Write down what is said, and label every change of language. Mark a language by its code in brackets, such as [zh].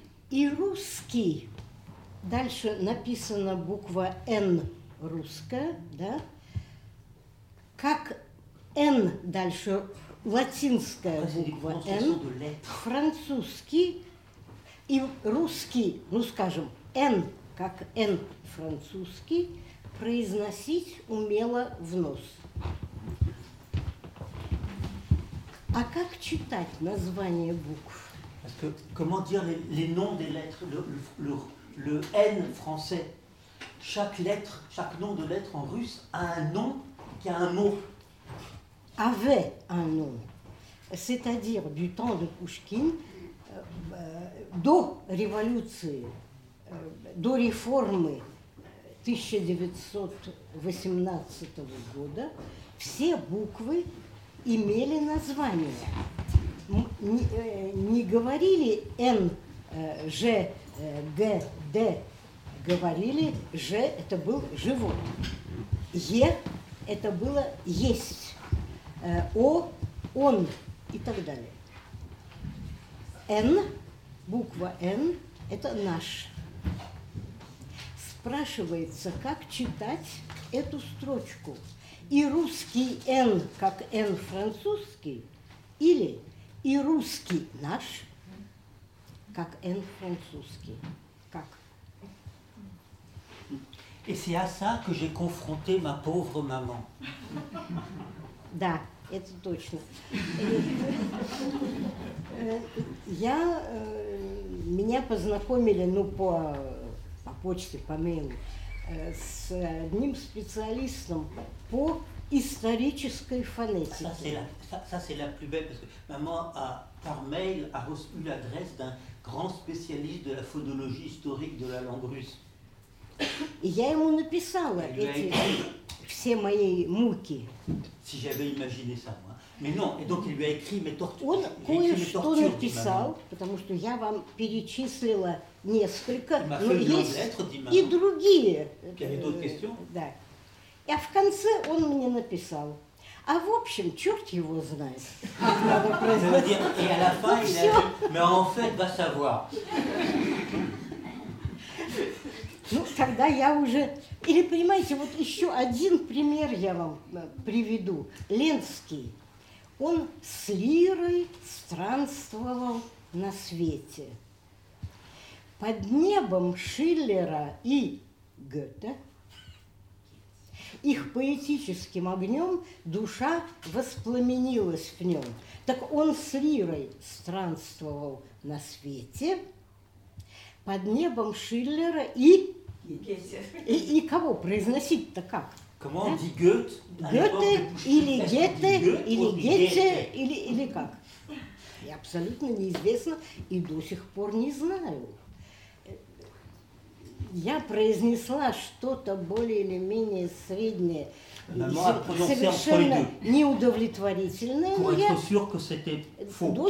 [ru] и русский, дальше написана буква «Н» русская, да, как «Н» дальше латинская буква «Н», французский, и русский, ну, скажем, «Н» как «Н» французский, произносить умело в нос. А как читать название букв? [fr] Parce que comment dire les noms des lettres, le N français. Chaque lettre, chaque nom de lettre en russe a un nom qui a un mot. Avait un nom. C'est-à-dire du temps de Pouchkine, [ru] до революции, до реформы 1918 года, все буквы имели название, не говорили «Н», «Ж», «Г», «Д», говорили «Ж» – это был «живот», «Е» – это было «есть», «О» – «он» и так далее. «Н», буква «Н» – это «наш». Спрашивается, как читать эту строчку? И русский «Н» как «Н» французский, или и русский «наш» как «Н» французский, как? И [fr] c'est à ça que j'ai confronté ma pauvre maman. [ru] Да, это точно. Меня познакомили, ну, по почте, по мейлу, с одним специалистом по исторической фонетики. [fr] Ça c'est la plus belle, parce que maman a par mail a reçu l'adresse d'un grand spécialiste de la phonologie historique de la langue russe. [ru] Я ему написала все мои муки. [fr] Si j'avais imaginé ça, moi. Mais non, et donc il lui a écrit mes tortures. [ru] Он кое-что написал, потому что я вам перечислила несколько, но есть и другие. [fr] Il y a d'autres questions? [ru] Да. А в конце он мне написал. А в общем, черт его знает. Надо произносить. И [fr] à la fin, il a dit, mais en fait, va savoir. [ru] Ну, тогда я уже... Или, понимаете, вот еще один пример я вам приведу. Ленский. Он с лирой странствовал на свете. Под небом Шиллера и Гёте их поэтическим огнем душа воспламенилась в нем. Так он с лирой странствовал на свете, под небом Шиллера и... Гёте. И кого произносить-то как? [fr] Comment on dit Goethe? Goethe, il est Goethe, il est Goethe, [ru] или как? Я абсолютно неизвестна и до сих пор не знаю. Я произнесла что-то более или менее среднее, совершенно неудовлетворительное, но я до